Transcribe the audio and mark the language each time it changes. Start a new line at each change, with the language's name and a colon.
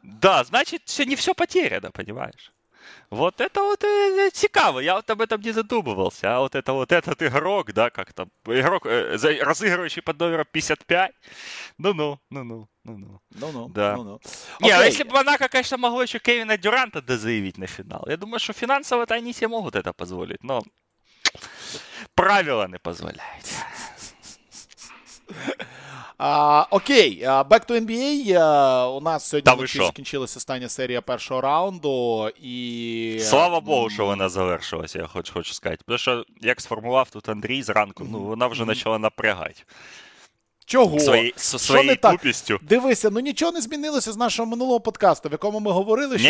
Russian: Да, значит, все, не все потеряно, понимаешь? Вот это вот цікаво, я вот об этом не задумывался, а вот этот игрок, да, как там, игрок, разыгрывающий под номером 55, ну-ну. Ну-ну, да. Ну-ну. Не, а если бы Монако, конечно, могло еще Кевина Дюранта дозаявить на финал, я думаю, что финансово-то они себе могут это позволить, но правила не позволяют.
English: Окей, back to NBA.
Ukrainian: У нас сьогодні вночі закінчилася остання серія першого раунду. І... Слава Богу, що вона завершилася, я хочу сказати. Тому що, як сформував тут Андрій зранку, ну, вона вже почала напрягати. Чого? Своєю тупістю. Дивися, ну нічого не змінилося з нашого минулого подкасту, в якому ми говорили, що